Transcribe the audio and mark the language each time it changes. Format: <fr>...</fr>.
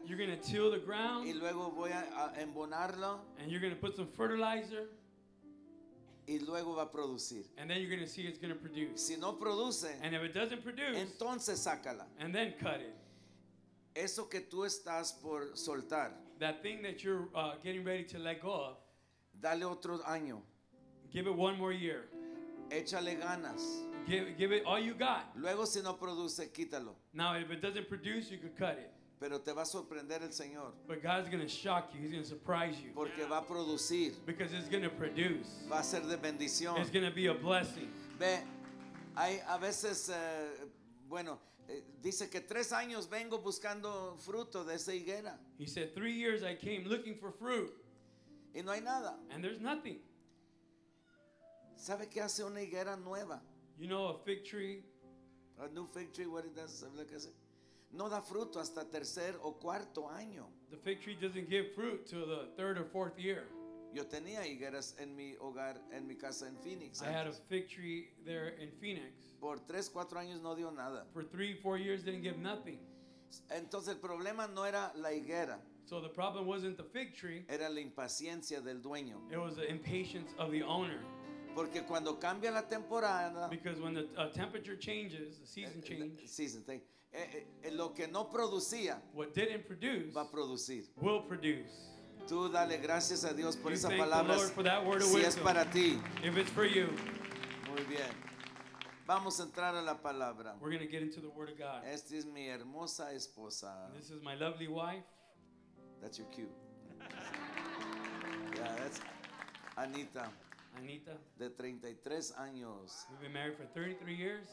<en>You're going to till the ground.</en> <es>Y luego voy a embonarlo.</es> <en>And you're going to put some fertilizer.</en> <es>Y luego va a producir.</es> <en>And then you're going to see it's going to produce.</en> <es>Si no produce,</es> <en>and if it doesn't produce,</en> <es>entonces sácala.</es> <en>And then cut it.</en> <es>Eso que tú estás por soltar,</es> <en>that thing that you're getting ready to let go of,</en> <es>dale otro año.</es> <en>Give it one more year.</en> <es>Échale ganas.</es> <en>Give it all you got.</en> <es>Luego, si no produce, quítalo.</es> <en>Now if it doesn't produce, you could cut it.</en> <es>Pero te va a sorprender el Señor.</es> <en>But God's going to shock you. He's going to surprise you.</en> <es>Porque va a producir.</es> <en>Because it's going to produce.</en> <es>Va a ser de bendición.</es> <en>It's going to be a blessing.</en> <es>Ve, hay a veces, bueno, dice que 3 años vengo buscando fruto de esa higuera.</es> <en>He said, 3 years I came looking for fruit.</en> <es>Y no hay nada.</es> <en>And there's nothing.</en> <es>¿Sabe qué hace una higuera nueva?</es> <en>You know a fig tree? A new fig tree, what it does,</en> <es>¿sabes lo que hace? No da fruto hasta tercer o cuarto año.</es> <en>The fig tree doesn't give fruit till the third or fourth year.</en> <es>Yo tenía higueras en mi hogar, en mi casa en Phoenix.</es> <en>I had a fig tree there in Phoenix.</en> <es>Por 3-4 años no dio nada.</es> <en>For 3-4 years didn't give nothing.</en> <es>Entonces el problema no era la higuera.</es> <en>So the problem wasn't the fig tree.</en> <es>Era la impaciencia del dueño.</es> <en>It was the impatience of the owner.</en> <es>Porque cuando cambia la temporada,</es> <en>because when the temperature changes, the season changes. Season thing.</en> <es>Lo que no producía,</es> <en>what didn't produce,</en> <es>va a producir.</es> <en>Will produce.</en> <es>Tú dale gracias a Dios por</es> <en>you</en> <es>esa palabra. Si es para ti.</es> <en>If it's for you.</en> <es>Muy bien. Vamos a entrar a la palabra.</es> <en>We're going to get into the word of God.</en> <es>Esta es mi hermosa esposa.</es> <en>And this is my lovely wife. That's your cue. Yeah, that's Anita. Anita.</en> <es>De 33 años.</es> <en>We've been married for 33 years.</en>